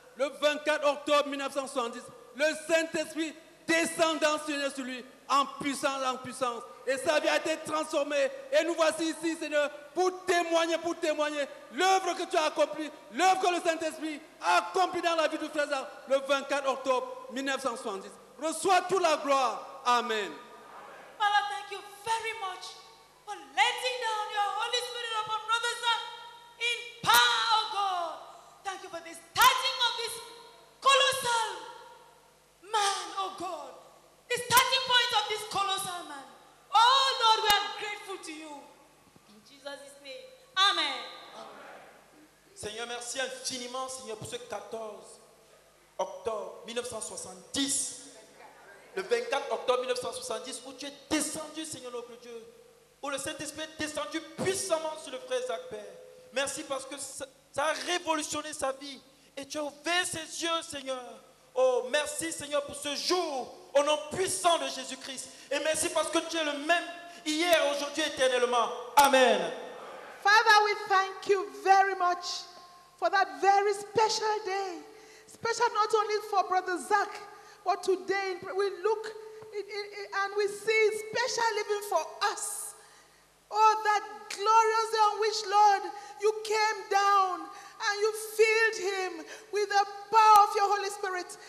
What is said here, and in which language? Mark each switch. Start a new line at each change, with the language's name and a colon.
French: Le 24 octobre 1970, le Saint-Esprit descendant, Seigneur, sur lui, en puissance, en puissance. Et sa vie a été transformée. Et nous voici ici, Seigneur, pour témoigner l'œuvre que tu as accomplie, l'œuvre que le Saint-Esprit a accomplie dans la vie du frère Zach le 24 octobre 1970. Reçois toute la gloire. Amen.
English: Father, thank you very much for letting down your Holy Spirit upon brothers in power, oh God. Thank you for the starting of this colossal man, oh God. The starting point of this colossal man. Oh Lord, we are grateful to you. In Jesus' name. Amen.
French: Amen. Seigneur, merci infiniment, Seigneur, pour ce 14 octobre 1970. Le 24 octobre 1970, où tu es descendu, Seigneur notre Dieu, où le Saint-Esprit est descendu puissamment sur le frère Zach, Père. Merci parce que ça a révolutionné sa vie et tu as ouvert ses yeux, Seigneur. Oh, merci, Seigneur, pour ce jour au nom puissant de Jésus-Christ. Et merci parce que tu es le même hier, aujourd'hui, éternellement. Amen.
English: Father, we thank you very much for that very special day. Special not only for brother Zach, but today we look and we see special living for us. Oh, that glorious day on which, Lord, you came down and you filled him with the power of your Holy Spirit.